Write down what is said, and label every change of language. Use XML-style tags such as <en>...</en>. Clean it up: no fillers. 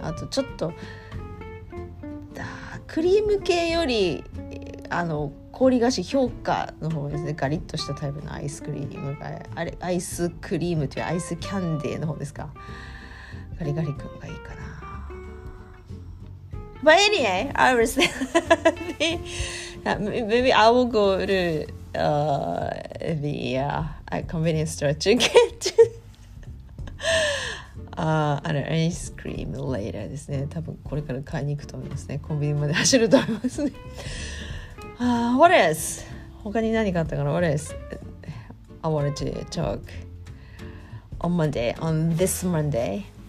<ja>あとちょっとだクリーム系よりあの氷菓子評価の方ですね。ガリッとしたタイプのアイスクリームが、あれアイスクリームというアイスキャンデーの方ですか。ガリガリ君がいいかな。</ja> <en>But anyway, I was maybe I will go to the convenience store to get an ice cream later</en> <ja>ですね。多分これから買いに行くと思いますね。コンビニまで走ると思いますね。</ja> <en>What else?</en> <ja>他に何があったかな。</ja> <en>What else? I wanted to talk on Monday, on this Monday.</en>